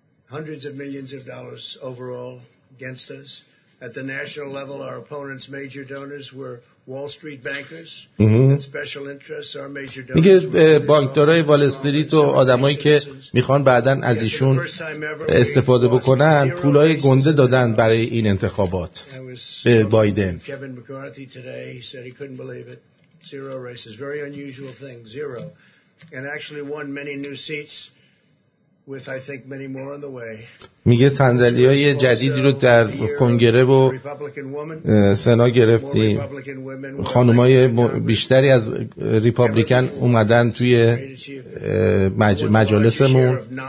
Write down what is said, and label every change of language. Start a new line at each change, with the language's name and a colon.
English: At the national level our opponents' major donors were Wall Street bankers and special interests are major donors.
Persian: میگه بانکدارای وال استریت و آدمایی که میخوان بعداً از ایشون استفاده بکنن پولای گنده دادن برای این انتخابات به بایدن.
English: Kevin McCarthy today said he couldn't believe it. Zero races, very unusual thing, zero. And actually won many new seats with I think many more on the way.
Persian: میگه صندلی‌های جدیدی رو در کنگره و سنا گرفتیم. خانم‌های بیشتری از ریپابلیکن اومدن توی مجالسمون.